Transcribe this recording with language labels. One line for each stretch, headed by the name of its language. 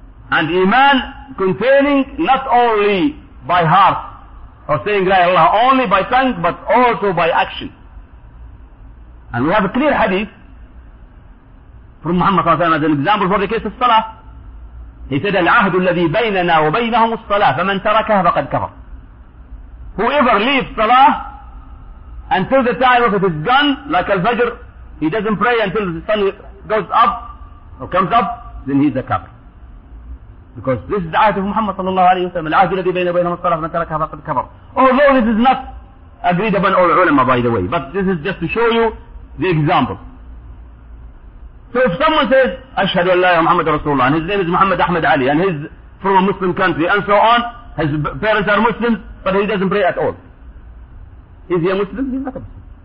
English: And iman containing not only by heart or saying la ilaha only by tongue, but also by action. And we have a clear hadith from Muhammad صلى الله عليه وسلم as an example for the case of salah. He said,
Arabic: العهد الذي بيننا وبينهم الصلاة فمن تركها فقد كفر.
English: Whoever leaves salah until the time of it is gone, like al-fajr, he doesn't pray until the sun goes up or comes up, then he's a kafir. Because this is the ayat of Muhammad sallallahu alayhi wa sallam.
Arabic: العهد الذي بين بينهم الصلاة فمن تركها فقد كفر.
English: Although this is not agreed upon all ulama, by the way. But this is just to show you the example. So if someone says, Ashhadu an la ilaha Muhammad Rasulullah, and his name is Muhammad Ahmed Ali, and he's from a Muslim country, and so on, his parents are Muslims, but he doesn't pray at all. Is he a Muslim? He's not a Muslim.